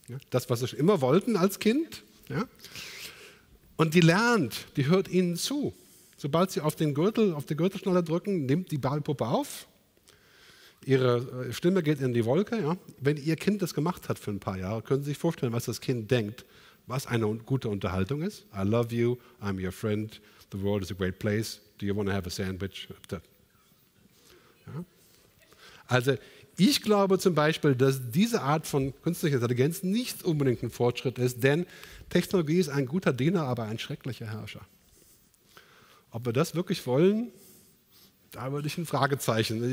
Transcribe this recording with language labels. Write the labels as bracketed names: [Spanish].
[German] Das, was Sie schon immer wollten als Kind. Ja. Und die lernt, die hört Ihnen zu. Sobald Sie auf den Gürtel, auf die Gürtelschnalle drücken, nimmt die Barbie-Puppe auf. Ihre Stimme geht in die Wolke. Ja. Wenn Ihr Kind das gemacht hat für ein paar Jahre, können Sie sich vorstellen, was das Kind denkt, was eine gute Unterhaltung ist. [English] I love you, I'm your friend, the world is a great place. Do you want to have a sandwich? Ja. [German] Also, ich glaube zum Beispiel, dass diese Art von künstlicher Intelligenz nicht unbedingt ein Fortschritt ist, denn Technologie ist ein guter Diener, aber ein schrecklicher Herrscher. Ob wir das wirklich wollen, da würde ich ein Fragezeichen.